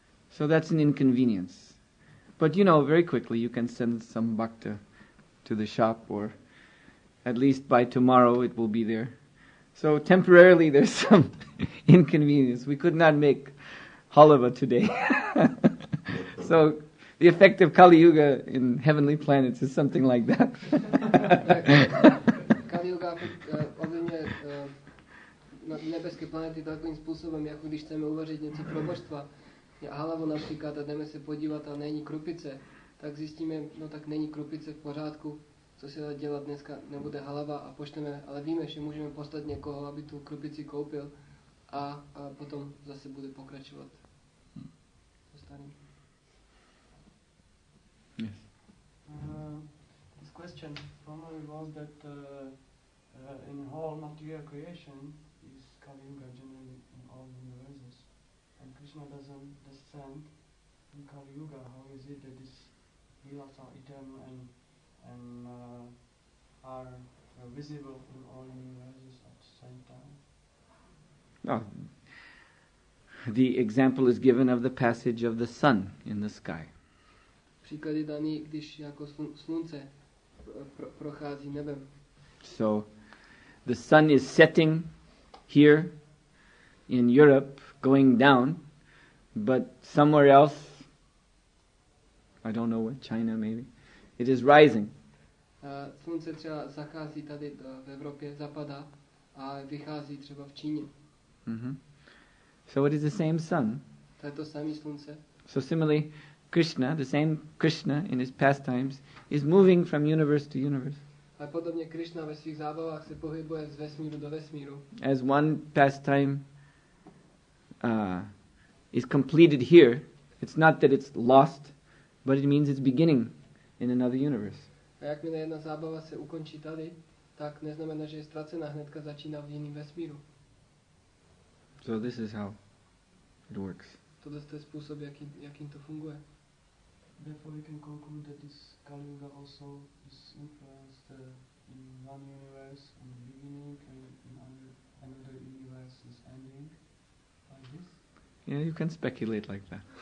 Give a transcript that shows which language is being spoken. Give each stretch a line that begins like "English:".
English: So that's an inconvenience. But you know, very quickly you can send some bhakta to the shop, or at least by tomorrow it will be there. So temporarily there's some inconvenience. We could not make halava today. So the effect of Kali Yuga in heavenly planets is something like that.
Czech: Kali Yuga ovlivňuje nebeské planety takovým způsobem, jako když chceme uvařit něco pro božstva. Halavu například a jdeme se podívat a není krupice, tak zjistíme, no tak není krupice v pořádku. Co se dá dělat dneska, nebude halava a pošteme, ale víme, že můžeme poslat někoho, aby tu krupici koupil a potom zase bude pokračovat. Zostaním.
English: Yes. This question formerly was that in whole material creation is Kali Yuga generally in all universes and Krishna doesn't descend in Kali Yuga. How is it that these lilas are eternal and are visible in all universes at the same time? Oh. The example is given of the passage of the sun in the sky.
Czech: Příklad je daný, když jako slunce prochází nebem.
English: So, the sun is setting here in Europe, going down, but somewhere else, I don't know what, China maybe, it is rising.
Czech: Slunce třeba zachází tady v Evropě, zapadá a vychází třeba v Číně.
English: So it is the same sun.
Czech: To je to samé slunce.
English: So similarly, Krishna, the same Krishna in his pastimes, is moving from universe to universe.
Czech: A podobně Krishna ve svých zábavách se pohybuje z vesmíru do vesmíru.
English: As one pastime is completed here, it's not that it's lost, but it means it's beginning in another universe.
Czech: A jakmile jedna zábava se ukončí tady, tak neznamená, že je ztracena, hnedka začíná v jiném vesmíru.
English: So this is how it works.
Czech: Tohle je způsob, jakým to funguje.
English: Therefore we can conclude that this Kali Yuga also is influenced in one universe in the beginning and in another universe is ending, like this? Yeah, you can speculate like that.